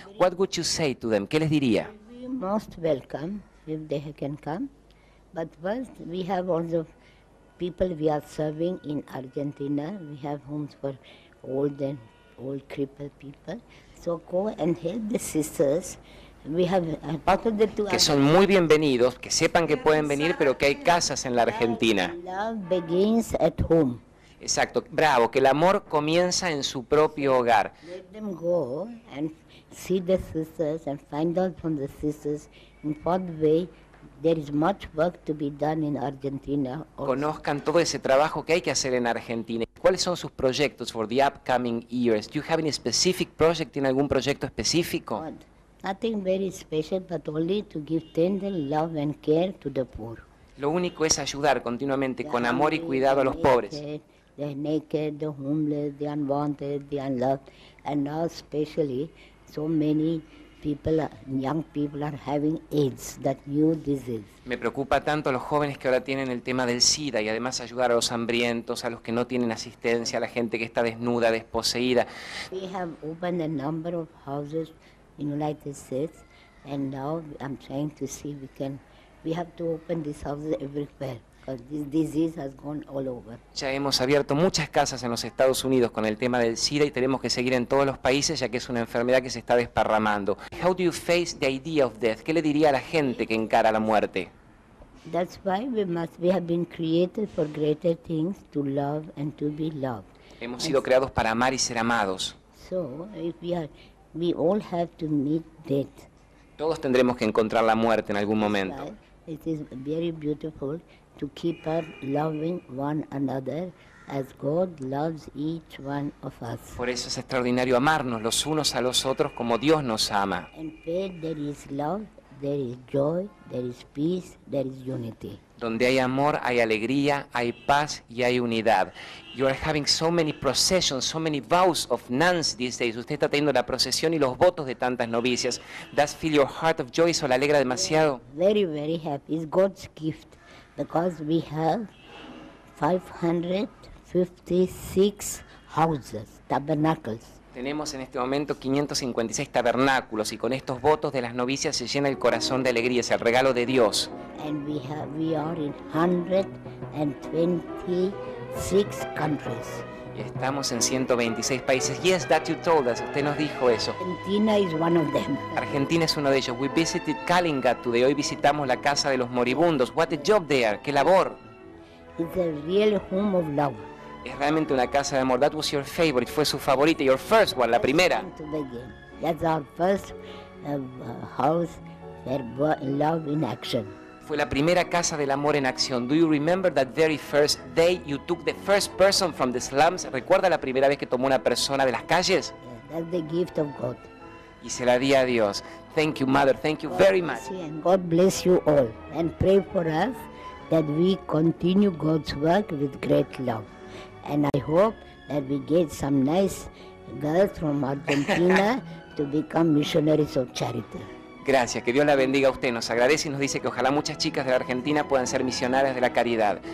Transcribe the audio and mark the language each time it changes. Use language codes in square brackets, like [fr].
[en] What would you say to them? [es] ¿Qué les diría? [en] Most welcome if they can come. But first, we have all the people we are serving in Argentina. We have homes for old and old crippled people. So go and help the sisters. We have part of the two. [es] Que son muy bienvenidos, que sepan que pueden venir, pero que hay casas en la Argentina. [en] Love begins at home. [es] Exacto, bravo, que el amor comienza en su propio hogar. [en] Let them go and see the sisters and find out from the sisters in what way there is much work to be done in Argentina. [es] Conozcan todo ese trabajo que hay que hacer en Argentina. ¿Cuáles son sus proyectos [en] for the upcoming years? Do you have any specific project? [es] ¿Tiene algún proyecto específico? [en] Nothing very special, but only to give tender love and care to the poor. [es] Lo único es ayudar continuamente con amor y cuidado a los pobres. [en] The naked, the homeless, the unwanted, the unloved, and now especially so many people, young people are having AIDS, that new disease. [es] Me preocupa tanto a los jóvenes que ahora tienen el tema del SIDA y además ayudar a los hambrientos, a los que no tienen asistencia, a la gente que está desnuda, desposeída. [en] We have opened a number of houses in the United States, and now I'm trying to see if we have to open these houses everywhere. This disease has gone all over. [es] Ya hemos abierto muchas casas en los Estados Unidos con el tema del SIDA y tenemos que seguir en todos los países ya que es una enfermedad que se está desparramando. [en] How do you face the idea of death? [es] ¿Qué le diría a la gente que encara la muerte? [en] That's why we have been created for greater things, to love and to be loved. [es] Hemos sido creados para amar y ser amados. [en] So if we all have to meet death. [es] Todos tendremos que encontrar la muerte en algún momento. [en] It is very beautiful to keep up loving one another as God loves each one of us. [es] Por eso es extraordinario amarnos los unos a los otros como Dios nos ama. [en] And where there is love, there is joy, there is peace, there is unity. [es] Donde hay amor, hay alegría, hay paz y hay unidad. [en] You are having so many processions, so many vows of nuns these days. [es] Usted está teniendo la procesión y los votos de tantas novicias. [en] Does fill your heart of joy? [es] ¿Eso le alegra demasiado? [en] Very, very happy. It's God's gift. Because we have 556 houses, tabernacles. [es] Tenemos en este momento 556 tabernáculos y con estos votos de las novicias se llena el corazón de alegría, es el regalo de Dios. [en] And we are in 126 countries. [es] Y estamos en 126 países. [en] Yes, that you told us. [es] Usted nos dijo eso. [en] Argentina is one of them. [es] Argentina es uno de ellos. [en] We visited Kalinga today. [es] Hoy visitamos la casa de los moribundos. [en] What a job there. [es] Qué labor. [en] It's a real home of love. [es] Es realmente una casa de amor. [en] That was your favorite. [es] Fue su favorita. [en] Your first one, [es] la primera. [en] That's our first house that brought love in action. [es] Fue la primera casa del amor en acción. [en] Do you remember that very first day you took the first person from the slums? [es] ¿Recuerda la primera vez que tomó una persona de las calles? [en] Yeah, that's the gift of God. [es] Y se la di a Dios. [en] Thank you, Mother. Thank you very much. God bless you all. And pray for us that we continue God's work with great love. And I hope that we get some nice girls from Argentina to become missionaries of charity. [es] Gracias, que Dios la bendiga a usted. Nos agradece y nos dice que ojalá muchas chicas de la Argentina puedan ser misioneras de la caridad.